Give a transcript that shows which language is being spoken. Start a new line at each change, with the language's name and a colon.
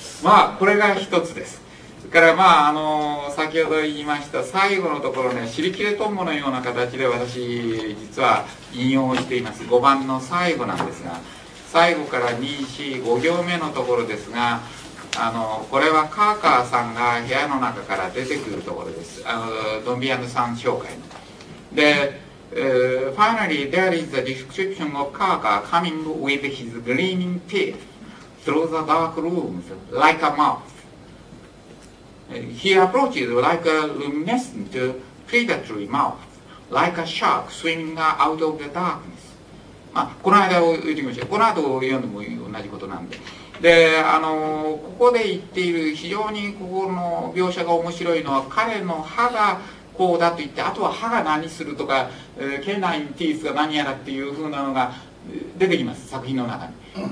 Japanese: まあこれが一つです。からまあ先ほど言いました最後のところね、しりきれトンボのような形で私実は引用しています。5番の最後なんですが、最後から 2,4,5 行目のところですが、これはカーカーさんが部屋の中から出てくるところです。ドンビアヌさん紹介ので、
English: Finally there is a description of Carker coming with his gleaming teeth through the dark rooms like a mouthHe approaches like a luminescent predatory mouth, like a shark swimming out of the darkness.
Japanese: まあ、この間を言ってみましょう。この後を読んでも同じことなんで。で、ここで言っている非常にここの描写が面白いのは、彼の歯がこうだと言って、あとは歯が何するとか、ケナインティースが何やらっていう風なのが出てきます、作品の中に。